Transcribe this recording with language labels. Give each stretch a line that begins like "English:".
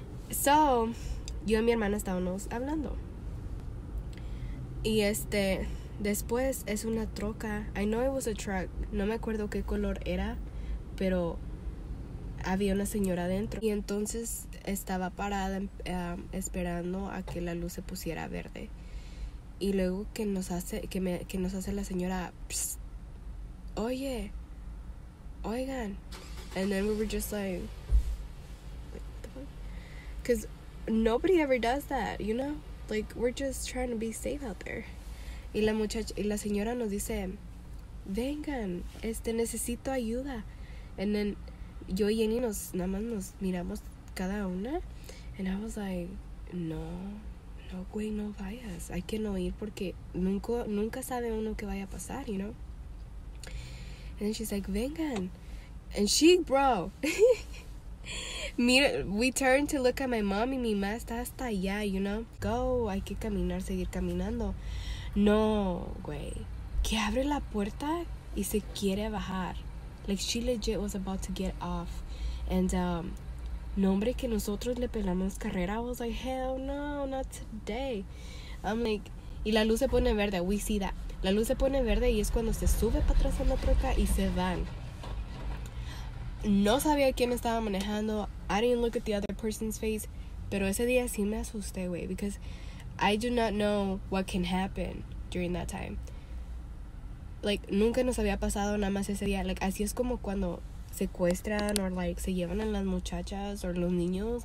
Spanish: So, yo y mi hermana estábamos hablando. Y después es una troca,
English: I know it was a truck,
Spanish: no me acuerdo qué color era, pero había una señora adentro. Y entonces estaba parada esperando a que la luz se pusiera verde. Y luego que nos hace la señora, psst, oye, oigan.
English: And then we were just like, what the fuck? Because nobody ever does that, you know? Like, we're just trying to be safe out there.
Spanish: Y la señora nos dice, vengan, necesito ayuda.
English: And then
Spanish: yo y Jenny nada más nos miramos cada una.
English: And I was like, no.
Spanish: No, güey, no vayas. Hay que no ir porque nunca sabe uno qué vaya a pasar,
English: you know? And then she's like,
Spanish: vengan.
English: And she, bro. We turned to look at my mom
Spanish: y mi mamá está hasta allá,
English: you know?
Spanish: Go, hay que caminar, seguir caminando. No, güey. Que abre la puerta y se quiere bajar.
English: Like, she legit was about to get off. And,
Spanish: no, hombre, que nosotros le pelamos carrera.
English: I was like, hell no, not today. I'm like,
Spanish: y la luz se pone verde.
English: We see that.
Spanish: La luz se pone verde y es cuando se sube para atrás en la troca y se van. No sabía quién estaba manejando.
English: I didn't look at the other person's face.
Spanish: Pero ese día sí me asusté, güey.
English: Because I do not know what can happen during that time. Like,
Spanish: nunca nos había pasado nada más ese día. Like, así es como cuando secuestran or like se llevan a las muchachas or los niños.